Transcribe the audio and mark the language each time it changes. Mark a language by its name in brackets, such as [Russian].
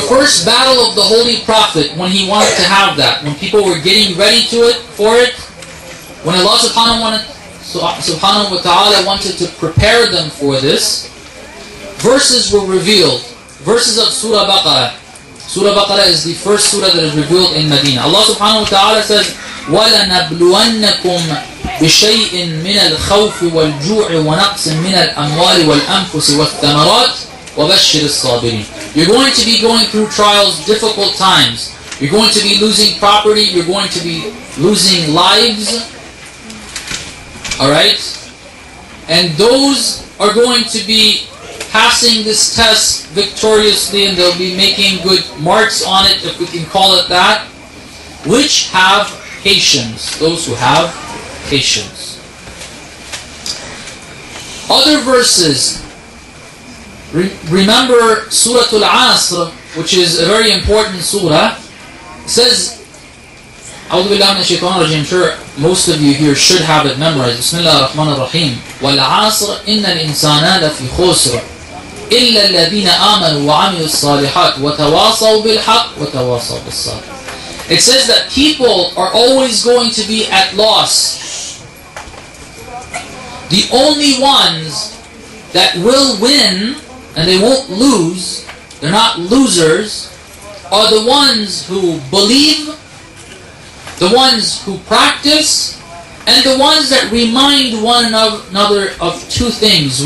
[English] The first battle of the Holy Prophet, when he wanted to have that, when people were getting ready to it for it, when Allah subhanahu wa ta'ala wanted to prepare them for this, verses were revealed. Verses of Surah Baqarah. Surah Baqarah is the first surah that is revealed in Medina. Allah subhanahu wa ta'ala says, [Arabic] وَلَنَبْلُوَنَّكُمْ بِشَيْءٍ مِنَ الْخَوْفِ وَالْجُوعِ وَنَقْسٍ مِنَ الْأَمْوَالِ وَالْأَنفُسِ وَالثَّمَرَاتِ وَبَشِّرِ الصَّابِرِينَ. [English] You're going to be going through trials, difficult times. You're going to be losing property. You're going to be losing lives. Alright? And those are going to be passing this test victoriously, and they'll be making good marks on it, if we can call it that, which have patience, those who have patience. Other verses, remember Surah Al-Asr, which is a very important surah, says, [Arabic] أعوذ بالله من الشيطان الرجيم. [English] Sure, most of you here should have it memorized. [Arabic] بسم الله الرحمن الرحيم. والعصر إن الإنسان لفي خسر إلا الذين آمنوا وعملوا الصالحات وتواصوا بالحق وتواصوا بالصبر. [English] It says that people are always going to be at loss. The only ones that will win and they won't lose, they're not losers, are the ones who believe, the ones who practice, and the ones that remind one another of two things.